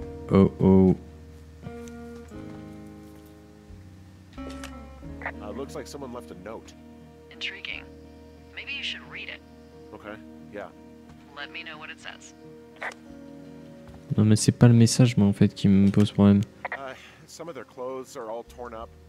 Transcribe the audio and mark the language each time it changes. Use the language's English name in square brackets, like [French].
[English] Oh oh. It looks like someone left a note. Intriguing. Maybe you should read it. Yeah. Let me know what it says. [French] Non mais c'est pas le message moi en fait qui me pose problème. [English] Some of their clothes are all torn up.